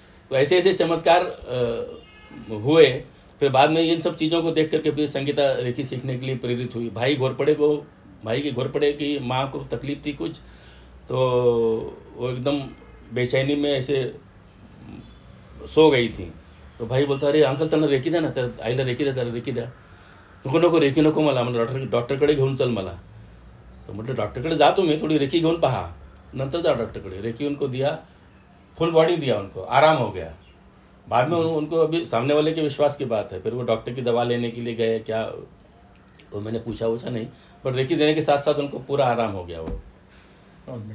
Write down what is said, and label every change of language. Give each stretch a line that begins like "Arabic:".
Hindi: तो ऐसे ऐसे चमत्कार हुए। फिर बाद में इन सब चीज़ों को देख करके फिर संगीता रेखी सीखने के लिए प्रेरित हुई। भाई घोरपड़े को, भाई के घोरपड़े की माँ को तकलीफ थी कुछ, तो वो एकदम बेचैनी में ऐसे सो गई थी। तो भाई बोलता अरे अंकल
Marathi: तना रेखी देना, तेरा आईला रेखी दे, तेरा रेखी दे, नको नको रेखी नको मला, मला डॉक्टर डॉक्टरकडे घेऊन चल मला। तो म्हटलं डॉक्टरकडे जातो मी, थोडी रेखी घेऊन पहा, नंतर जा डॉक्टरकडे।
Hindi: रेखी उनको दिया, फुल बॉडी दिया उनको, आराम हो गया। बाद में उनको अभी सामने वाले के विश्वास की बात है, फिर वो डॉक्टर की दवा लेने के लिए गए क्या, वो मैंने पूछा वूछा नहीं, पर रेखी देने के साथ साथ उनको पूरा आराम हो गया वो।